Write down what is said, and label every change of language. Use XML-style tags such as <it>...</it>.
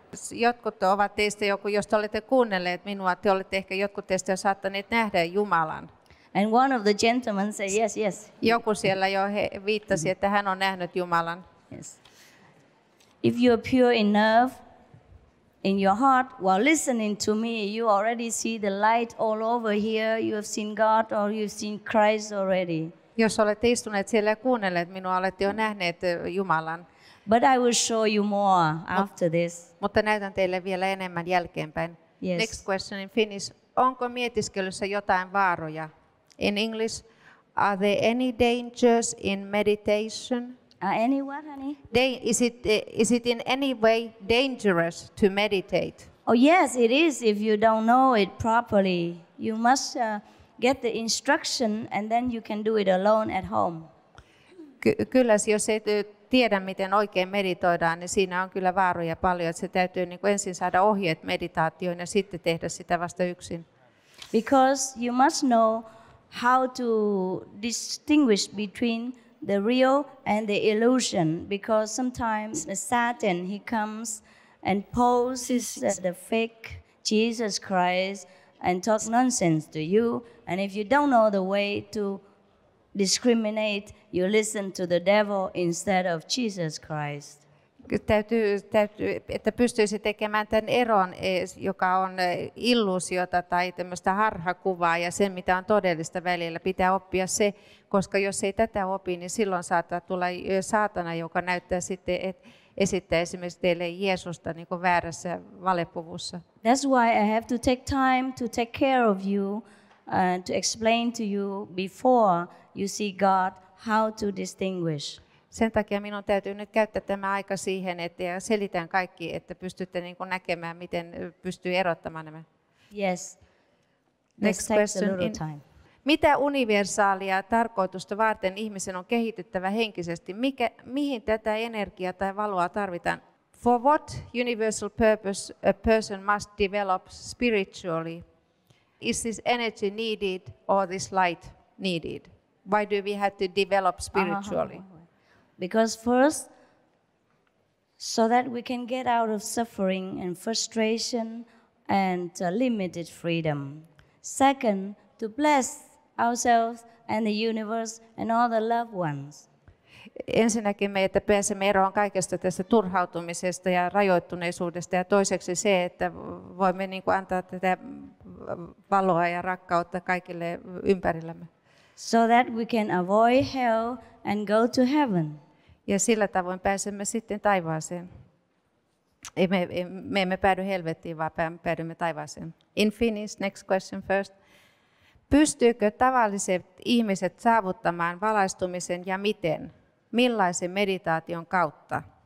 <fi>Jotkut ovat teistä joku, jos te olette kuunnelleet minua, te olette ehkä jotkut teistä jo saattaneet nähdä Jumalan.</fi> <en>And one of the gentlemen said yes.</en> <fi>Joku siellä jo viittasi, että hän on nähnyt Jumalan.</fi> <en>Yes. If you are pure enough in your heart, while listening to me, you already see the light all over here. You have seen God or you've seen Christ already.</en> <fi>Jos olette istuneet siellä ja kuunnelleet minua, olette jo nähneet Jumalan.</fi> <en>But I will show you more after this.</en> <fi>Mutta näytän teille vielä enemmän jälkeenpäin.</fi> <en>Yes. Next question in Finnish.</en> <fi>Onko mietiskelyssä jotain vaaroja?</fi> <en>In English, are there any dangers in meditation? Is it in any way dangerous to meditate? Oh yes, it is. If you don't know it properly, you must get the instruction, and then you can do it alone at home.</en> <fi>Kyllä, jos et tiedä miten oikein meditoidaan, niin siinä on kyllä vaaroja paljon. Että se täytyy niin kuin ensin saada ohjeet meditaatioon ja sitten tehdä sitä vasta yksin.</fi> <en>Because you must know how to distinguish between the real and the illusion, because sometimes Satan, he comes and poses the fake Jesus Christ and talks nonsense to you. And if you don't know the way to discriminate, you listen to the devil instead of Jesus Christ.</en> <fi>Täytyy, että pystyisi tekemään tämän eron, joka on illuusiota tai tämmöistä harhakuvaa ja sen, mitä on todellista välillä. Pitää oppia se, koska jos ei tätä opi, niin silloin saattaa tulla saatana, joka näyttää sitten, että esittää esimerkiksi teille Jeesusta niin kuin väärässä valepuvussa.</fi> <en>That's why I have to take time to take care of you and to explain to you before you see God how to distinguish.</en> <fi>Sen takia minun täytyy nyt käyttää tämä aika siihen, että selitän kaikki, että pystytte niin kuin näkemään, miten pystyy erottamaan nämä.</fi> <en>Yes. Next question.</en> <fi>Mitä universaalia tarkoitusta varten ihmisen on kehityttävä henkisesti? Mihin tätä energiaa tai valoa tarvitaan?</fi> <en>For what universal purpose a person must develop spiritually? Is this energy needed or this light needed? Why do we have to develop spiritually? Uh-huh. Because first, so that we can get out of suffering and frustration and limited freedom. Second, to bless ourselves and the universe and all the loved ones.</en> <fi>Ensinnäkin me, että pääsemme eroon kaikesta tästä turhautumisesta ja rajoittuneisuudesta. Ja toiseksi se, että voimme niin kuin antaa tätä valoa ja rakkautta kaikille ympärillämme.</fi> <en>So that we can avoid hell and go to heaven.</en> <fi>Ja sillä tavoin pääsemme sitten taivaaseen. Me emme päädy helvettiin, vaan päädymme taivaaseen.</fi> <en>In Finnish, next question first.</en> <fi>Pystyykö tavalliset ihmiset saavuttamaan valaistumisen ja miten? Millaisen meditaation kautta?</fi>